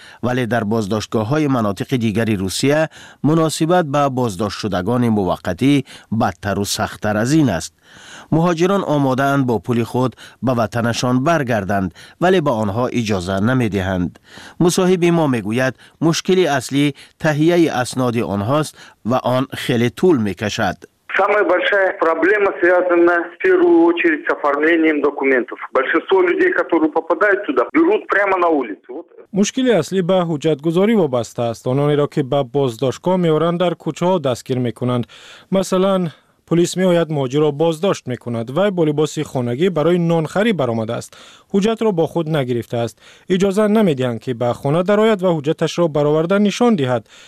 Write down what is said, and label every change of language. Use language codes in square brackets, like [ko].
[fa] ولی در بازداشتگاه های مناطق دیگری روسیه مناسبت به بازداشت شدگان موقتی بدتر و سختر از این است. مهاجران آماده اند با پول خود به وطنشان برگردند، ولی به آنها اجازه نمی دهند. مصاحب ما می گوید مشکل اصلی تهیه اسناد آنهاست و آن خیلی طول می کشد. [ru] Самая большая проблема связана в первую очередь с оформлением документов. Большинство людей, которые попадают туда, берут прямо на улицу. [tg] Мушкили асли ба худжатгузори вобаста аст. Онони ро ки ба боздошко меоран дар кучо дастгир мекунанд. [fa] Масалан پلیس می آید مهاجر را بازداشت می کند و با لباس خانگی برای نانخری برآمده است. حجت را با خود نگرفته است. اجازه نمی دهند که به خانه درآید و حجتش را برآورده نشان دهد.